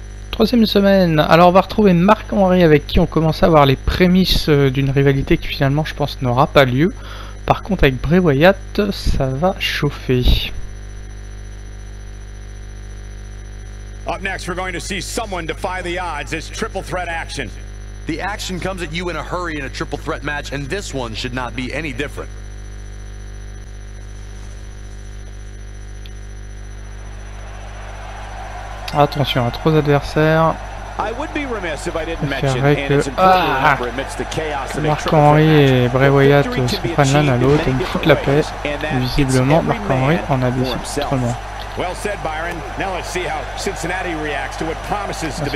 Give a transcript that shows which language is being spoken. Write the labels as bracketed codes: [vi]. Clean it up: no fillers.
[fr] Troisième semaine, alors on va retrouver Marc-Henri avec qui on commence à avoir les prémices d'une rivalité qui finalement je pense n'aura pas lieu. Par contre avec Bray Wyatt, ça va chauffer. [en] Up next we're going to see someone defy the odds, it's triple threat action. The action comes at you in a hurry in a triple threat match and this one should not be any different. [fr] Attention à trois adversaires. [en] I would be remiss if I didn't [fr] mention que... Marc-Henri et Bray Wyatt se prennent l'un à l'autre et me foutent la paix. Visiblement, Marc-Henri en a décidé autrement. [en] Well said, Byron. Now let's see how Cincinnati reacts to what promises to be